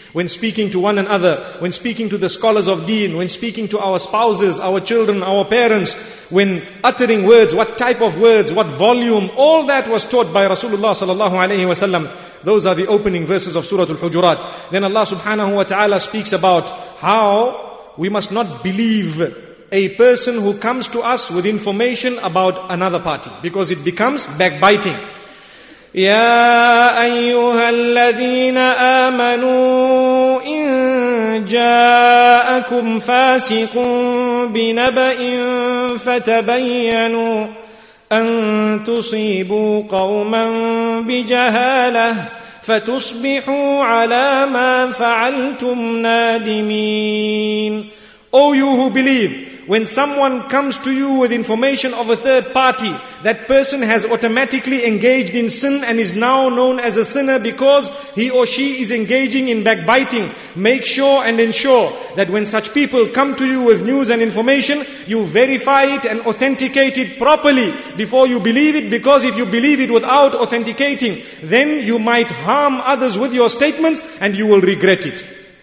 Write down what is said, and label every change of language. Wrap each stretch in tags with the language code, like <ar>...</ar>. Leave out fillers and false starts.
<en>When speaking to one another, when speaking to the scholars of deen, when speaking to our spouses, our children, our parents, when uttering words, what type of words, what volume, all that was taught by Rasulullah sallallahu alayhi wa sallam. Those are the opening verses of Surah Al-Hujurat. Then Allah subhanahu wa ta'ala speaks about how we must not believe a person who comes to us with information about another party, because it becomes backbiting.</en> <ar>يا أيها الذين آمنوا إن جاءكم فاسق بنبأ فتبينوا أن تصيبوا قوما بجهالة فتصبحوا على ما فعلتم نادمين</ar> <en>O you who believe, when someone comes to you with information of a third party, that person has automatically engaged in sin and is now known as a sinner because he or she is engaging in backbiting. Make sure and ensure that when such people come to you with news and information, you verify it and authenticate it properly before you believe it, because if you believe it without authenticating, then you might harm others with your statements and you will regret it.</en>